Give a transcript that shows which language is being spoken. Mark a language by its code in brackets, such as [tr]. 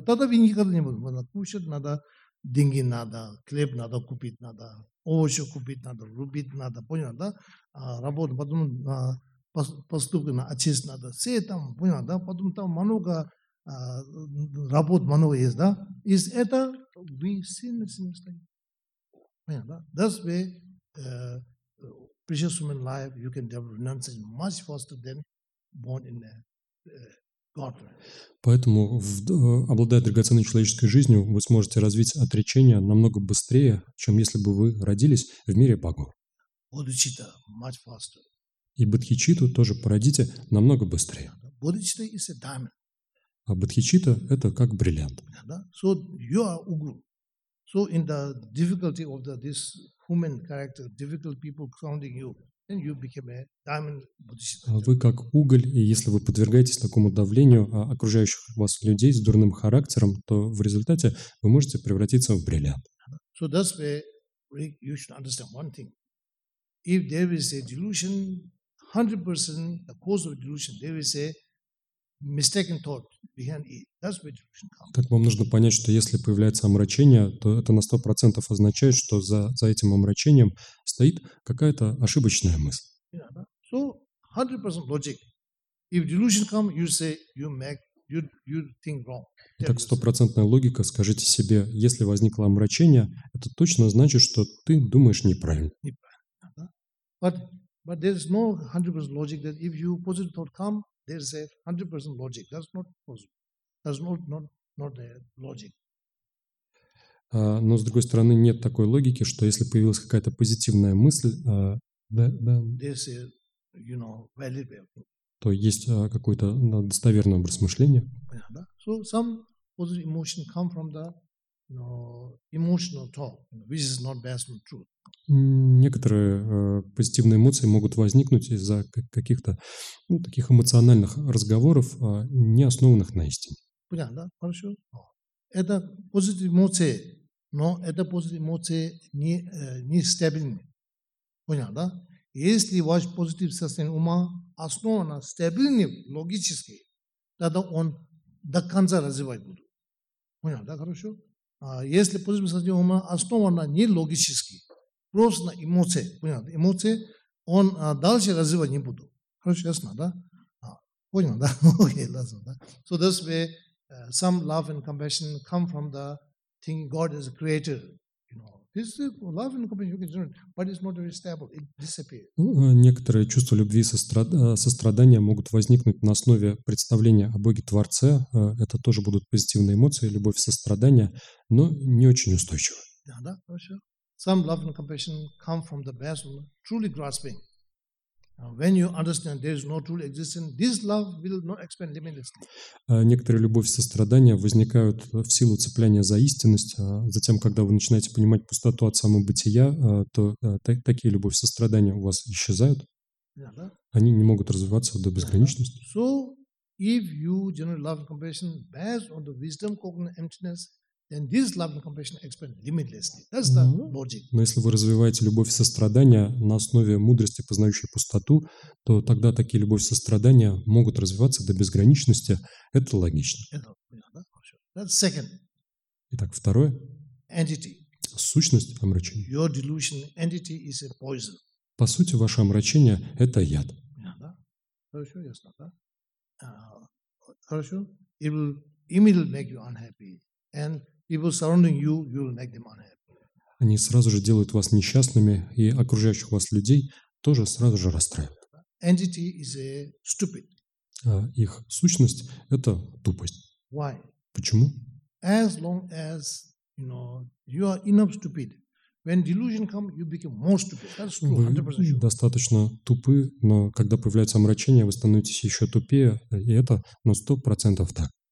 [ru] Тогда вы никогда не будете. Надо кушать, надо деньги, надо хлеб, надо купить, надо овощи купить, надо рубить, надо, понял, да? Работать, потом на поступки на отец надо. Все там, понял, да? Потом там много работ, много есть, да? Из этого вы сильно стоите. Понял, да? [en] That's why precious human life you can develop renunciation much faster than born in God. [ru] Поэтому, обладая драгоценной человеческой жизнью, вы сможете развить отречение намного быстрее, чем если бы вы родились в мире Богу. [en] Бодхичитта much faster. [ru] И бодхичитту тоже породите намного быстрее. [en] Бодхичитта is a diamond. [ru] А бодхичитта – это как бриллиант. [en] Yeah, да? So you are ugru. So in the difficulty of the this human character, difficult people surrounding you, then you became a diamond bodhisattva. [ru] Вы как уголь, и если вы подвергаетесь такому давлению окружающих вас людей с дурным характером, то в результате вы можете превратиться в бриллиант. [en] So that's where you should understand one thing. If there is a delusion, 100% the cause of delusion, there is a mistaken thought behind it. That's where delusion comes. [ru] Так вам нужно понять, что если появляется омрачение, то это на 100% означает, что за этим омрачением стоит какая-то ошибочная мысль. [en] Yeah, so 100% logic. If delusion comes, you say you think wrong. [ru] Итак, 100% логика, скажите себе, если возникло омрачение, это точно значит, что ты думаешь неправильно. [en] But there is no 100% logic that if you positive thought come, there is a 100% logic. That's not possible. That's not the logic. [ru] Но с другой стороны, нет такой логики, что если появилась какая-то позитивная мысль, [en] this is, you know, valid. [ru] То есть какой-то достоверный образ мышления. [en] So some positive emotion come from the, you know, emotional talk, you know, which is not based on truth. [ru] Некоторые позитивные эмоции могут возникнуть из-за каких-то, ну, таких эмоциональных разговоров, не основанных на истине. Понятно, да? Хорошо. Это позитивные эмоции, но это позитивные эмоции не стабильные. Понятно, да? Если ваш позитивный состояние ума основан на стабильном, логическом, тогда он до конца развивать будет. Понятно, да? Хорошо. Если позитивный состояние ума основан на нелогическом, просто на эмоции, понял? Эмоции, он дальше развивать не буду. Хорошо, ясно, да? Понял, да? Окей, ясно, да? [en] So this way, some love and compassion come from the thing God is a creator. You know, this love and compassion you can generate, but it's not very stable. It disappears. [ru] Некоторые чувства любви и сострадания могут возникнуть на основе представления о Боге-творце. Это тоже будут позитивные эмоции, любовь и сострадание, но не очень устойчивые. Да, да, хорошо. [en] Some love and compassion come from the best of truly grasping. When you understand there is no true existence, this love will not expand limitlessly. [ru] Некоторые любовь и сострадание возникают в силу цепляния за истинность. Затем, когда вы начинаете понимать пустоту от самобытия, то такие любовь и сострадание у вас исчезают. Они не могут развиваться до безграничности. [en] So, if you generate love and compassion based on the wisdom, cognitive emptiness, then this love and compassion expand limitlessly. That's the logic. [ru] Но если вы развиваете любовь и сострадание на основе мудрости, познающей пустоту, то тогда такие любовь и сострадания могут развиваться до безграничности. Это логично. [en] That's second. [ru] Итак, второе. [en] Entity. [ru] Сущность омрачения. [en] Your delusion entity is a poison. [ru] По сути, ваше омрачение – это яд. Хорошо, ясно, да? Хорошо. [en] It will immediately make you unhappy. And people surrounding you, you will make them unhappy. [ru] Они сразу же делают вас несчастными, и окружающих вас людей тоже сразу же расстраивают. [en] Entity is a stupid. [ru] Их сущность – это тупость. [en] Why? [ru] Почему? [en] As long as, you know, you are enough stupid, when delusion comes, you become more stupid. That's true, 100% sure. [ru] Вы достаточно тупы, но когда появляется омрачение, вы становитесь еще тупее, и это на 100% так.